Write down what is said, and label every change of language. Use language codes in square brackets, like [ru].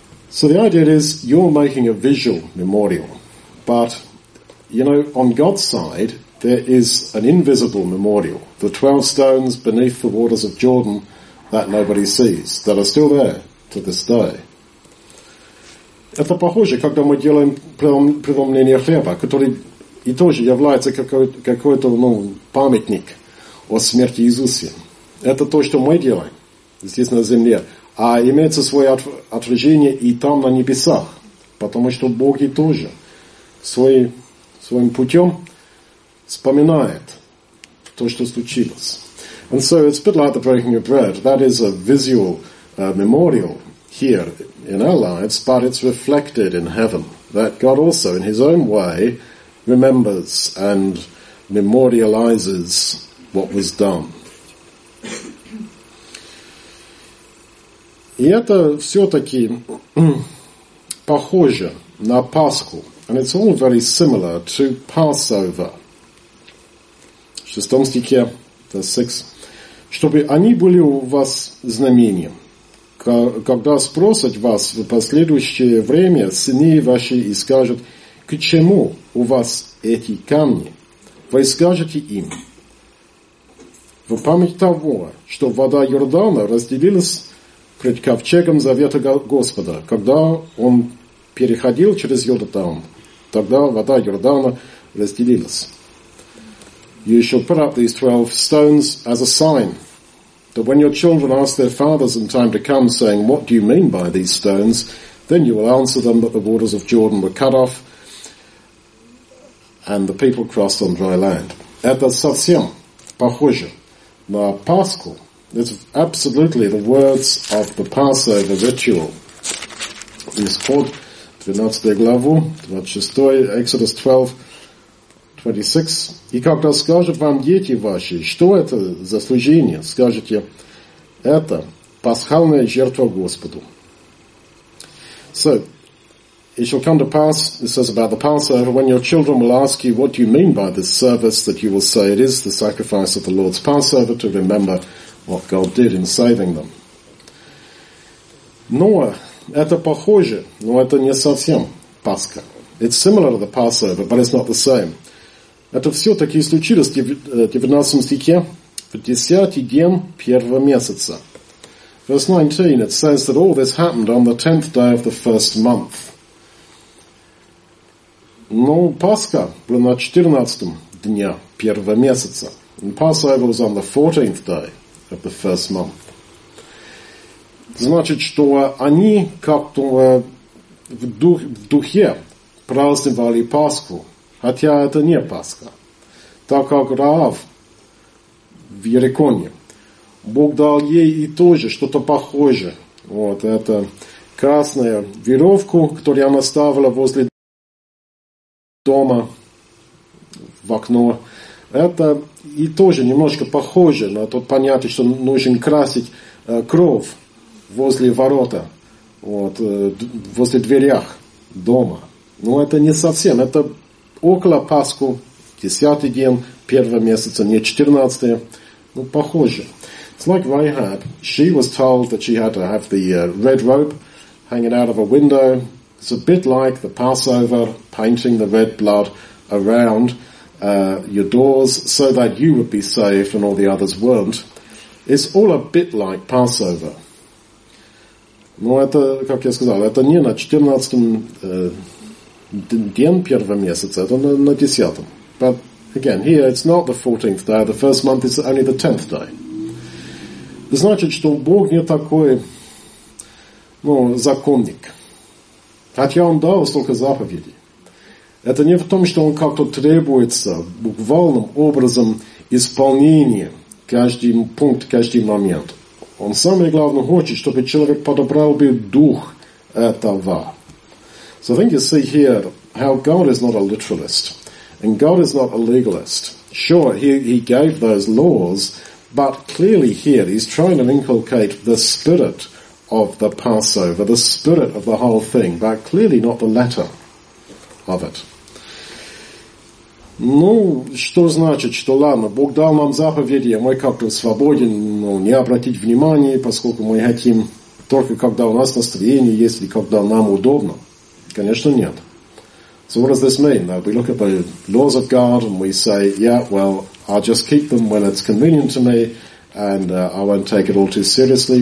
[en] So the idea is, you're making a visual memorial. But, you know, on God's side, there is an invisible memorial. The 12 stones beneath the waters of Jordan that nobody sees, that are still there to this day. [ru] Это похоже, когда мы делаем преломление хлеба, который и тоже является какой-то памятник о смерти Иисуса. Это то, что мы делаем здесь на земле. А имеется свое отражение и там, на небесах. Потому что Бог и тоже своим путем вспоминает то, что случилось. [en] And so it's a bit like the breaking of bread. That is a visual memorial here in our lives, but it's reflected in heaven. That God also, in his own way, remembers and memorializes what was done. [ru] И это все-таки похоже на Пасху. [en] And it's all very similar to Passover. [ru] В шестом стихе, [en] verse 6, [ru] чтобы они были у вас знамением, когда спросят вас в последующее время сыны ваши и скажут, к чему у вас эти камни, вы скажете им, в память того, что вода Иордана разделилась пред ковчегом завета Господа, когда он переходил через Иордан, тогда вода Иордана разделилась. [en] You shall put up these 12 stones as a sign, that when your children ask their fathers in time to come, saying, what do you mean by these stones? Then you will answer them that the waters of Jordan were cut off, and the people crossed on dry land. [ru] Это совсем похоже на Пасху. [en] It's absolutely the words of the Passover ritual. [ru] Исход, 12 главу, 26, [en] Exodus 12, 26. [ru] И когда скажут вам дети ваши, что это за служение, скажете, это пасхальная жертва Господу. [en] So, it shall come to pass, it says about the Passover, when your children will ask you, what do you mean by this service, that you will say it is the sacrifice of the Lord's Passover to remember what God did in saving them. [ru] Но это похоже, но это не совсем Пасха. [en] It's similar to the Passover, but it's not the same. [ru] Это все-таки случилось в 19 стихе, в 10 день первого месяца. [en] Verse 19, it says that all this happened on the 10th day of the first month. [ru] Но Пасха была на 14 дня первого месяца. [en] And Passover was on the 14th day of the first month. [ru] Значит, что они как-то в духе праздновали Пасху, хотя это не Пасха. Так как Раав в Иероконе, Бог дал ей и тоже что-то похожее. Вот это красная веревка, которую она ставила возле дома в окно. Это и тоже немножко похоже на тот понятие, что нужен красить кровь возле ворота, вот, возле дверях дома. Но это не совсем. Это около Пасху, 10-й день, первого месяца, не 14-е. Ну, похоже. [en] It's like Rahab. She was told that she had to have the red rope hanging out of a window. It's a bit like the Passover, painting the red blood around your doors so that you would be saved and all the others weren't. It's all a bit like Passover. [ru] Но это, как я сказал, это не на 14-м день первого месяца, это на 10-м. [en] But again, here it's not the 14th day, the first month is only the 10th day. [ru] Значит, что Бог не такой, ну, законник. Хотя он дал столько заповедей. Это не в том, что он как-то требуется буквальным образом исполнения каждый пункт, каждый момент. Он самое главное хочет, чтобы человек подобрал бы дух этого. [en] So I think you see here how God is not a literalist. And God is not a legalist. Sure, he gave those laws, but clearly here he's trying to inculcate the spirit of the Passover, the spirit of the whole thing, but clearly not the letter of it. [ru] Ну, что значит, что ладно, Бог дал нам заповеди, а мы как-то свободен, ну, не обратить внимания, поскольку мы хотим только когда у нас настроение есть или когда нам удобно. Конечно, нет. [en] So what does this mean? Now we look at the laws of God and we say, yeah, well, I'll just keep them when it's convenient to me and I won't take it all too seriously.